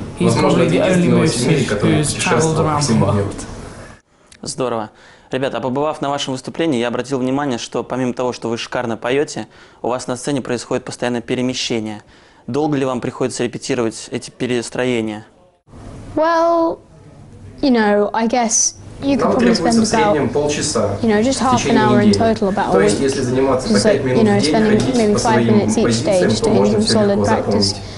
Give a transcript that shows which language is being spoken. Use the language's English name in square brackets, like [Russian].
[English] He's probably the only moose who's traveled around the world. [Russian] Здорово. Ребята, побывав на вашем выступлении, я обратил внимание, что помимо того, что вы шикарно поете, у вас на сцене происходит постоянное перемещение. Долго ли вам приходится репетировать эти перестроения? [English] Well, you know, I guess you could probably spend about, you know, just half an hour in total, about a week. [Russian] То есть, если заниматься по 5 минут в день, [English] you know, spending maybe 5 minutes each day just to get some solid practice.